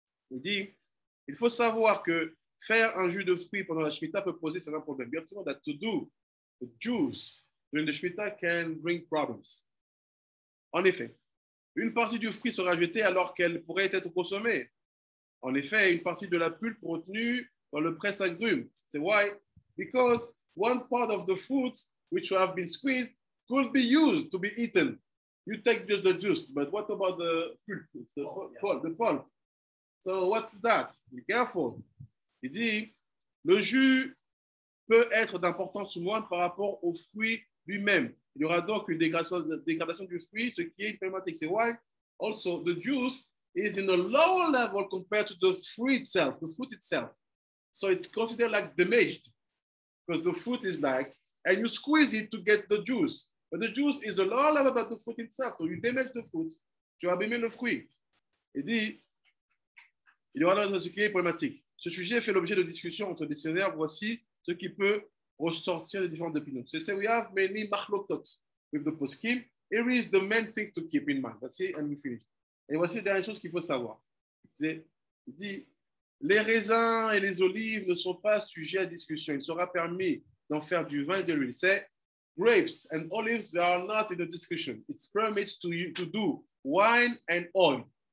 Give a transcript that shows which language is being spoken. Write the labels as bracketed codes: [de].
[fr] Il dit, il faut savoir que faire un jus de fruits pendant la Shemitah peut poser certains problèmes. [en] You have to know that to do the juice during the Shemitah can bring problems. [fr] En effet, une partie du fruit sera jetée alors qu'elle pourrait être consommée. En effet, une partie de la pulpe retenue dans le presse-agrumes. [en] C'est why? Because one part of the fruit which have been squeezed could be used to be eaten. You take just the juice, but what about the pulp? The pulp. So what's that? Be careful. [fr] Il dit, le jus peut être d'importance moindre par rapport au fruit lui-même. Il y aura donc une dégradation du fruit, ce qui est problématique. [en] C'est why? Also, the juice is in a lower level compared to the fruit itself. So it's considered like damaged, because the fruit is like, and you squeeze it to get the juice. But the juice is a lower level than the fruit itself. So you damage the fruit, [fr] tu abîmes le fruit. Il dit, il y aura donc ce qui est problématique. Ce sujet fait l'objet de discussions entre dictionnaires. Voici ce qui peut ressortir des différentes opinions. [en] So say we have many machlokot with the poskim. Here is the main thing to keep in mind. That's it, and we finish. [fr] Et voici la dernière chose qu'il faut savoir. Il dit, les raisins et les olives ne sont pas sujets à discussion. Il sera permis d'en faire du vin et de l'huile. [en] C'est grapes and olives, they are not in the discussion. It's permitted to you to do wine and oil.